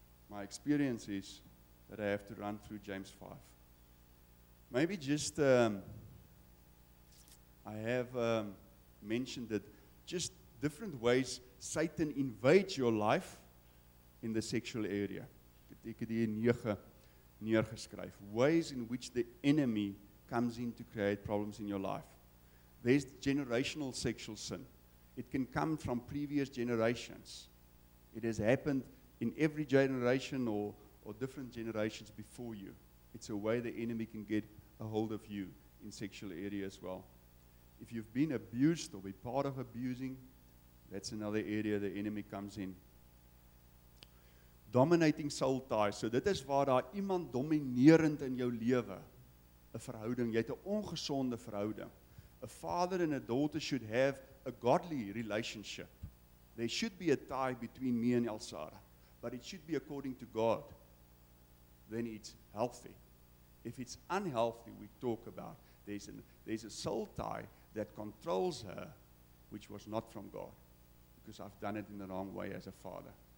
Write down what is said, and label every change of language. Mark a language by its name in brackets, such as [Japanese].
[English] My experience is that I have to run through James 5. Maybe just, I have mentioned that just different ways Satan invades your life in the sexual area. [Afrikaans] Ek het hier 9 neergeskryf. [English] Ways in which the enemy comes in to create problems in your life. There's generational sexual sin. It can come from previous generations. It has happened in every generation or different generations before you. It's a way the enemy can get a hold of you in sexual area as well. If you've been abused or be part of abusing, that's another area the enemy comes in. Dominating soul ties. [Afrikaans] So dit is waar daar iemand dominerend in jou lewe, 'n verhouding, jy het 'n ongesonde verhouding. [English] A father and a daughter should have a godly relationship. There should be a tie between me and Elsara, but it should be according to God. Then it's healthy. If it's unhealthy, we talk about there's a soul tie that controls her, which was not from God, because I've done it in the wrong way as a father.